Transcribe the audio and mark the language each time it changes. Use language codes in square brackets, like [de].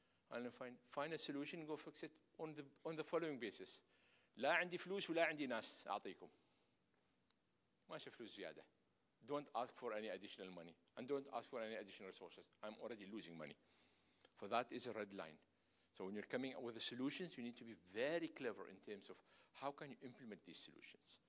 [en] And find a solution, go fix it on the following basis. [ar] لا عندي فلوس ولا عندي ناس أعطيكم. ماشي فلوس زيادة. [en] Don't ask for any additional money and don't ask for any additional resources. I'm already losing money. For that is a red line. So when you're coming up with the solutions, you need to be very clever in terms of how can you implement these solutions.